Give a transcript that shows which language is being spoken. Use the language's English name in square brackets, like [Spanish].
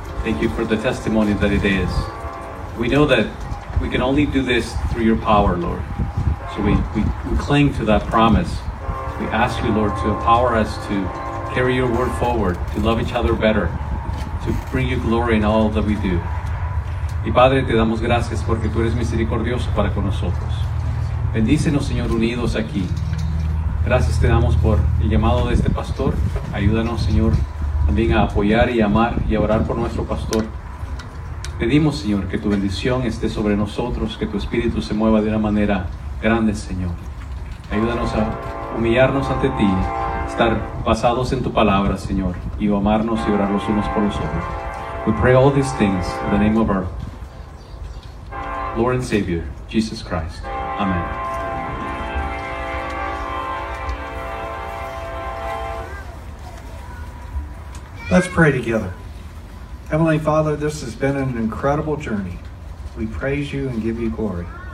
[English] Thank you for the testimony that it is. We know that we can only do this through your power, Lord. So we cling to that promise. We ask you, Lord, to empower us to carry your word forward, to love each other better, to bring you glory in all that we do. [Spanish] Y Padre, te damos gracias porque tú eres misericordioso para con nosotros. Bendícenos, Señor, unidos aquí. Gracias te damos por el llamado de este pastor. Ayúdanos, Señor, también a apoyar y amar y a orar por nuestro pastor. Pedimos, Señor, que tu bendición esté sobre nosotros, que tu espíritu se mueva de una manera grande, Señor. Ayúdanos a humillarnos ante ti, estar basados en tu palabra, Señor, y amarnos y orar los unos por los otros. [English] We pray all these things in the name of our Lord and Savior, Jesus Christ. Amen. Let's pray together. Heavenly Father, this has been an incredible journey. We praise you and give you glory.